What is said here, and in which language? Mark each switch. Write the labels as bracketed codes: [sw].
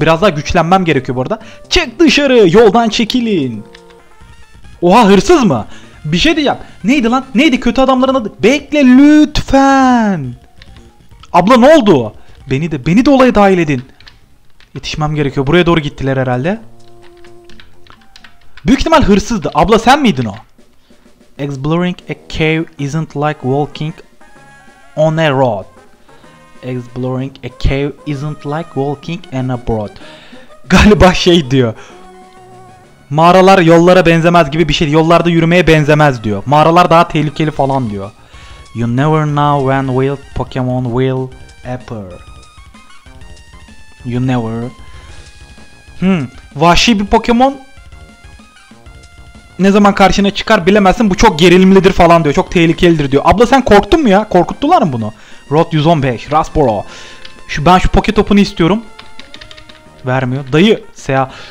[tr] Biraz daha güçlenmem gerekiyor bu arada. Çık dışarı, yoldan çekilin. Oha, hırsız mı? Bir şey diyeceğim. Neydi lan? Neydi kötü adamların adı? Bekle lütfen. Abla ne oldu? Beni de olaya dahil edin. Yetişmem gerekiyor. Buraya doğru gittiler herhalde. Büyük ihtimal hırsızdı. Abla sen miydin o? [en] Exploring a cave isn't like walking on a road. Exploring a cave isn't like walking on a road. [tr] Galiba şey diyor. Mağaralar yollara benzemez gibi bir şey. Yollarda yürümeye benzemez diyor. Mağaralar daha tehlikeli falan diyor. [en] You never know when wild Pokemon will appear. You never. [tr] Vahşi bir Pokemon ne zaman karşına çıkar bilemezsin. Bu çok gerilimlidir falan diyor. Çok tehlikelidir diyor. Abla sen korktun mu ya? Korkuttular mı bunu? Road 115. Raspora. Ben şu Poke Top'unu istiyorum. Vermiyor. Dayı. Seha.